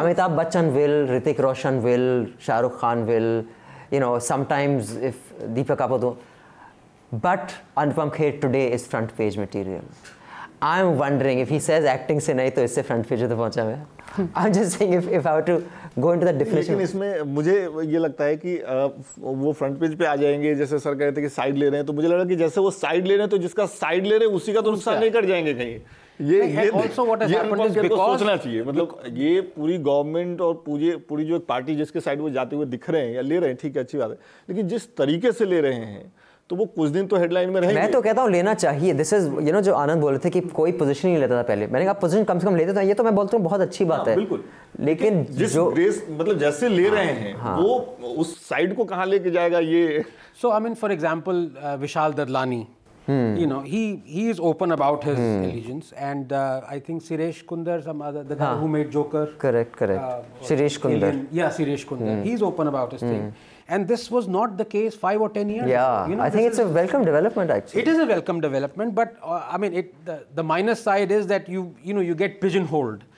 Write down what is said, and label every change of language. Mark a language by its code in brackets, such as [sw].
[en] Amitabh Bachchan will, Hrithik Roshan will, Shah Rukh Khan will, you know, sometimes if Deepak Apadho. But Anupam Kher today is front page material. I'm wondering if he says [hi] acting se nahi, to isse front page to pahuncha main. [en] I'm just saying if I were to go into that definition. [hi] लेकिन इसमें मुझे ये लगता है कि वो front page पे आ जाएंगे जैसे सर कह रहे थे कि side ले रहे हैं तो मुझे लग रहा है कि जैसे वो side ले रहे हैं तो जिसका side ले रहे हैं उसी का तो नुकसान नहीं कर जाएंगे कहीं. ये पूरी गवर्नमेंट और पूरी जो एक पार्टी जिसके साइड वो जाते हुए दिख रहे हैं या ले रहे हैं, ठीक है, अच्छी बात है, लेकिन जिस तरीके से ले रहे हैं तो वो कुछ दिन तो हेडलाइन में रहेंगे. मैं तो कहता हूँ लेना चाहिए. [en] this is you know [hi] जो आनंद बोल रहे थे कि कोई पोजीशन नहीं लेता था पहले. मैंने कहा पोजीशन कम से कम लेते थे, ये तो मैं बोलता हूँ बहुत अच्छी बात है. बिल्कुल. लेकिन जिस ग्रेस मतलब जैसे ले रहे हैं वो उस साइड को कहाँ लेके जाएगा ये. [en] So I mean for example Vishal Dadlani. Hmm. You know, he is open about his allegiance, and I think Suresh Kundar, some other the guy who made Joker. Correct. Suresh Kundar. Alien. Yeah, Suresh Kundar. Hmm. He's open about his thing. And this was not the case 5 or 10 years. Yeah, you know, I think it's a welcome development actually. It is a welcome development, but I mean, the minus side is that you get pigeonholed.